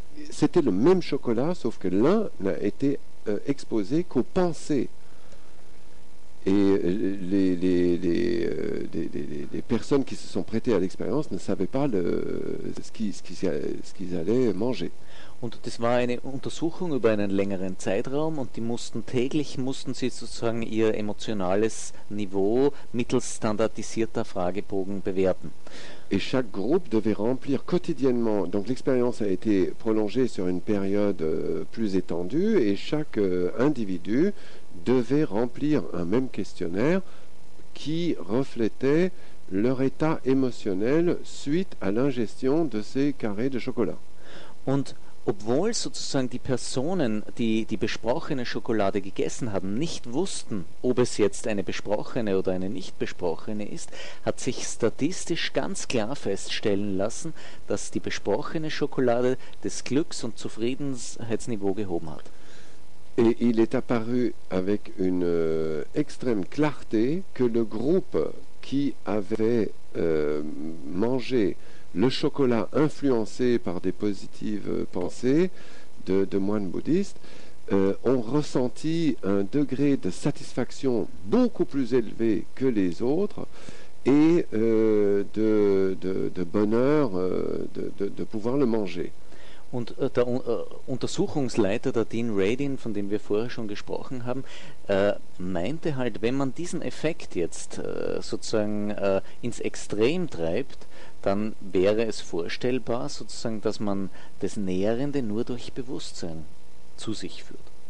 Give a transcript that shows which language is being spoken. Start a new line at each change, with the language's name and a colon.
French: C'était le même chocolat, sauf que l'un n'a été exposé qu'aux pensées. Et les personnes qui se sont prêtées à l'expérience ne savaient pas ce qu'ils allaient manger.
German: Und das war eine Untersuchung über einen längeren Zeitraum und die mussten täglich, mussten sie sozusagen ihr emotionales Niveau mittels standardisierter Fragebogen bewerten.
French: Et chaque groupe devait remplir quotidiennement, donc l'expérience a été prolongée sur une période plus étendue et chaque individu devait remplir un même questionnaire qui reflétait leur état émotionnel suite à l'ingestion de ces carrés de chocolat.
German: Und obwohl sozusagen die Personen, die die besprochene Schokolade gegessen haben, nicht wussten, ob es jetzt eine besprochene oder eine nicht besprochene ist, hat sich statistisch ganz klar feststellen lassen, dass die besprochene Schokolade das Glücks- und Zufriedenheitsniveau gehoben hat.
French: Et il est apparu avec une extrême clarté que le groupe qui avait mangé le chocolat influencé par des positives pensées de moines bouddhistes ont ressenti un degré de satisfaction beaucoup plus élevé que les autres et de bonheur de pouvoir le manger.
German: Und der Untersuchungsleiter, der Dean Radin, von dem wir vorher schon gesprochen haben, meinte halt, wenn man diesen Effekt jetzt sozusagen ins Extrem treibt, dann wäre es vorstellbar, sozusagen, dass man das Nährende nur durch Bewusstsein zu sich führt.